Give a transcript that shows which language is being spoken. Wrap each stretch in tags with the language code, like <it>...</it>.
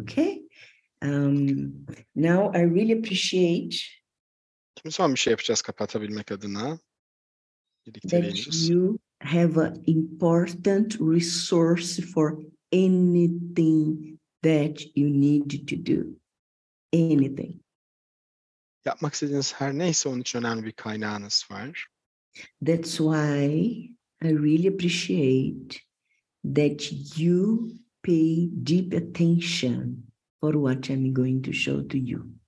<en>Okay. Now I really appreciate.</en> <tr>Kim son bir şey yapacağız kapatabilmek adına.</tr> <en>That you have an important resource for anything. That you need to do anything.</en> <tr>Yapmak istediğiniz her neyse onun için önemli bir kaynağınız var.</tr> <en>That's why I really appreciate that you pay deep attention for what I'm going to show to you.</en>